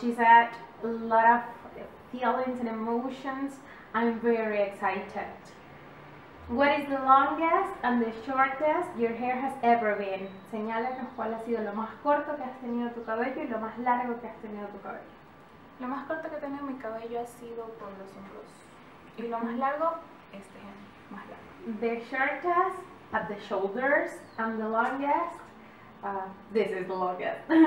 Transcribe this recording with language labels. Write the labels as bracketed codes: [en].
[en] She said, a lot of feelings and emotions. I'm very excited. What is the longest and the shortest your hair has ever been? [es] Señálanos cuál ha sido lo más corto que has tenido tu cabello y lo más largo que has tenido tu cabello. Lo más corto que tengo en mi cabello ha sido por los hombros. Y lo más largo, este es más largo. [en] The shortest at the shoulders and the longest, this is the longest.